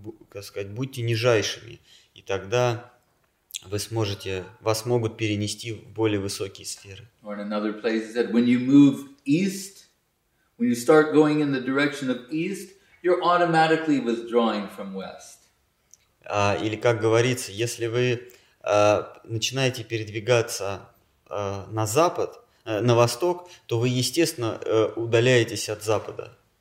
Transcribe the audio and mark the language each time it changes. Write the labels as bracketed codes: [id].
[ru] Как сказать, будьте нижайшими, и тогда вы сможете, вас могут перенести в более высокие сферы. [en] Or in another place he said, when you move east, when you start going in the direction of east, you're automatically withdrawing from west. [ru] Или как говорится, если вы начинаете передвигаться на запад, на восток, то вы естественно удаляетесь от запада.